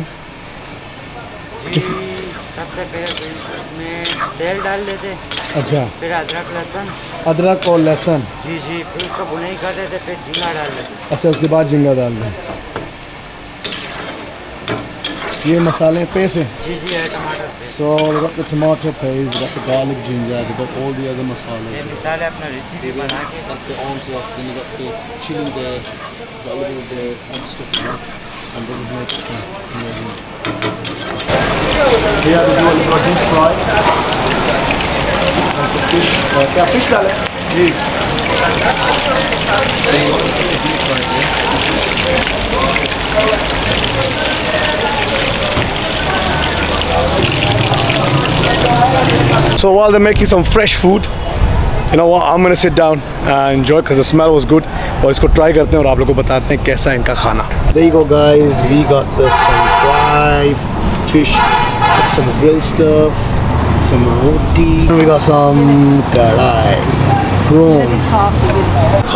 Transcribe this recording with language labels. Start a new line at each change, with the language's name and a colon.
Hindi: सबसे पहले इसमें तेल डाल देते. अच्छा. फिर अदरक लहसुन. अदरक और लहसुन. जी जी. फिर उसको भुनाई कर देते. फिर झींगा डाल देते. अच्छा उसके बाद झींगा डाल दें. ये मसाले पैसे. जी जी है टमाटर.
English: So we've got the tomato paste, we've got the garlic ginger, we've got all the other masalas.
Hindi: Yeah, masala apna recipe bana ke.
English: Got the onions, then you've got the chili there, got a little bit there, and stuff like that. And then we've got the onions. Here we've got the deep fry. And the fish.
Hindi: Kya fish dal hai? Ji.
English: So while they're making some fresh food, you know what? I'm gonna sit down and enjoy because the smell was good.
Hindi: और इसको try करते हैं और आप लोगों को बताते हैं कैसा इनका खाना.
English: There you go, guys. We got the fried fish, got some grilled stuff, some roti, and we got some karai prawns.